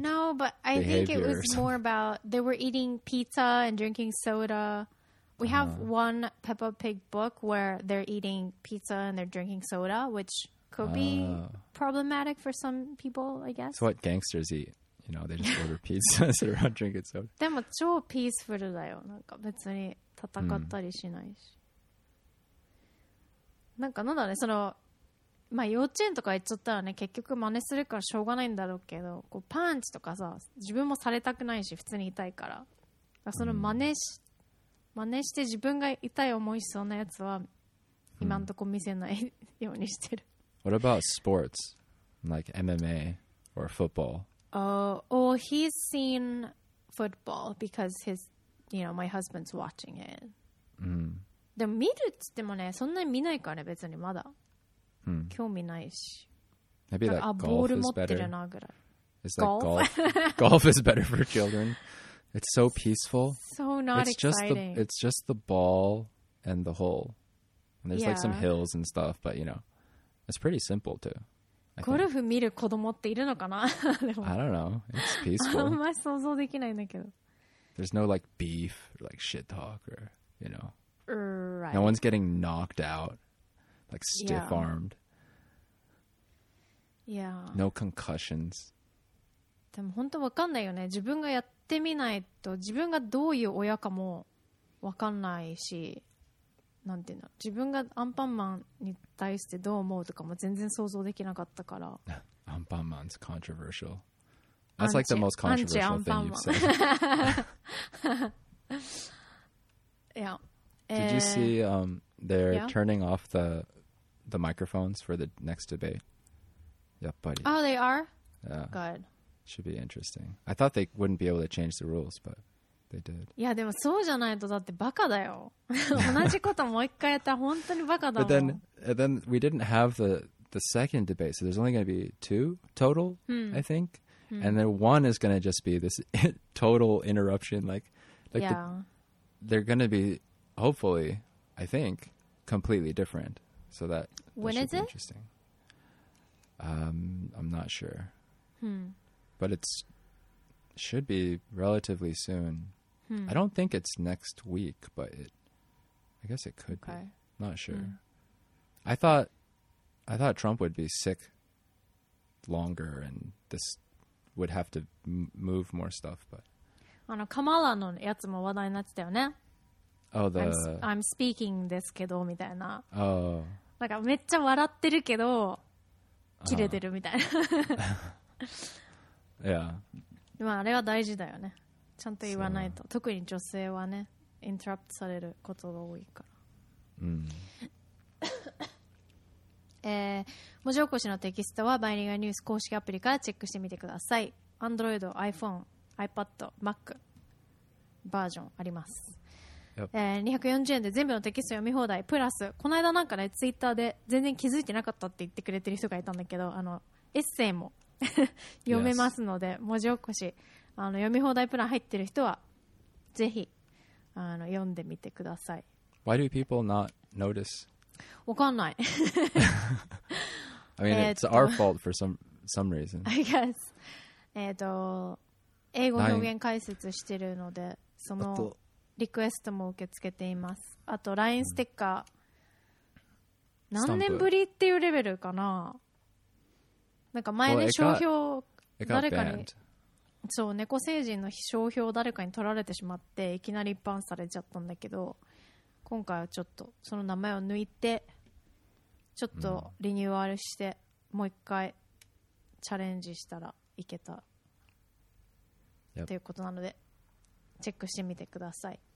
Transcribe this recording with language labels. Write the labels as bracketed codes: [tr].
[en] No, but I think it was more about they were eating pizza and drinking soda. We have one Peppa Pig book where they're eating pizza and they're drinking soda, which could be problematic for some people, I guess. It's what gangsters eat. You know, they just order pizza and sit around drinking soda. [ja] でも超ピースフルだよ。なんか別に戦ったりしないし。なんかなんだね、その、まあ幼稚園とか行っちゃったらね、結局真似するからしょうがないんだろうけど、こうパンチとかさ、自分もされたくないし、普通に痛いから。その真似して自分が痛い思いしそうなやつは今んとこ見せないようにしてる。 [en] What about sports? Like MMA or football? Well, he's seen football because his, you know, my husband's watching it. [ja] でも見るっつってもね、そんなに見ないからね、別にまだ。興味ないし。 [en] Maybe like [ja] ボール持ってるなぐらい。 [en] It's like golf. Golf is better for children. It's so peaceful. So not exciting. It's just the ball and the hole. And there's like some hills and stuff, but you know, it's pretty simple too. [ja] ゴルフ見る子供っているのかな? [en] I don't know. It's peaceful. [ja] あんまり想像できないんだけど。 [en] There's no like beef or like shit talk or, you know. Right. No one's getting knocked out, like stiff-armed. Yeah. No concussions. [ja] でも本当わかんないよね。自分がやっやってみないと自分がどういう親かも分かんないし、なんていうの、自分がアンパンマンに対してどう思うとかも全然想像できなかったから。 [en] アンパンマン's controversial. That's like the most controversial thing you've said. Yeah. Did you see they're turning off the microphones for the next debate? [ja] やっぱり。 [en] Oh, they are? Yeah. Good. Should be interesting. I thought they wouldn't be able to change the rules, but they did. [ja] Yeah, でもそうじゃないとだってバカだよ。同じこともう一回やったら本当にバカだもん。 [en] But then we didn't have the second debate, so there's only going to be two total, I think. And then one is going to just be this total interruption. They're going to be, hopefully, I think, completely different. So that should be interesting. I'm not sure. But it should be relatively soon. I don't think it's next week, but I guess it could be. Not sure. I thought Trump would be sick longer and this would have to move more stuff. But [ja] あのカマラのやつも話題になってたよね。 [en] Oh, the... I'm speaking [ja] ですけどみたいな。 [en] Oh. [ja] なんかめっちゃ笑ってるけど、切れてるみたいな。 [en] Yeah. [ja] まああれは大事だよね。ちゃんと言わないと。特に女性はね、インタラプトされることが多いから。文字起こしのテキストはバイリンガルニュース公式アプリからチェックしてみてください。 Android、iPhone、iPad、Mac バージョンあります。 240円で全部のテキスト読み放題。プラス、この間なんかね、Twitter で全然気づいてなかったって言ってくれてる人がいたんだけど、あのエッセイも。読めますので、yes. 文字起こしあの読み放題プラン入ってる人はぜひ読んでみてください。 [en] Why do people not notice? [ja] わかんない。 [en] I mean it's our fault for some reason, I guess. [ja] 英語表現解説してるのでそのリクエストも受け付けています。あと LINE ステッカー何年ぶりっていうレベルかな。なんか前ね、商標誰かに、そう、猫星人の商標を誰かに取られてしまっていきなり一般されちゃったんだけど、今回はちょっとその名前を抜いてちょっとリニューアルしてもう一回チャレンジしたらいけたということなのでチェックしてみてください。